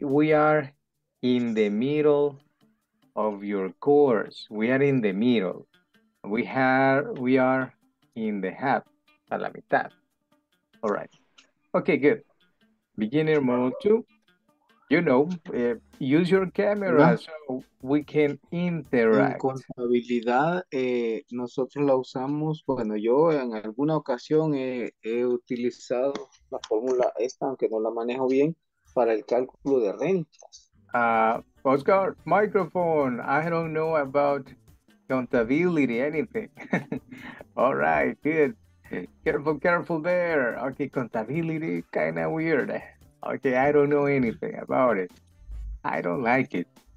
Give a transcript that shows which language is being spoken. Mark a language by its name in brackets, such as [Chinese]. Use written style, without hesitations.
[English] We are in the middle of your course. We are in the middle. We are in the half, [Spanish] a la mitad. [English] All right. Okay, good. Beginner model two. you know, use your camera so we can interact. [Spanish] En contabilidad, nosotros la usamos, bueno, yo en alguna ocasión he utilizado la fórmula esta, aunque no la manejo bien, para el cálculo de rentas. [English] Oscar, microphone, I don't know about contability, anything. All right, good. Careful, careful there. Okay, contability, kind of weird. Okay, I don't know anything about it. I don't like it.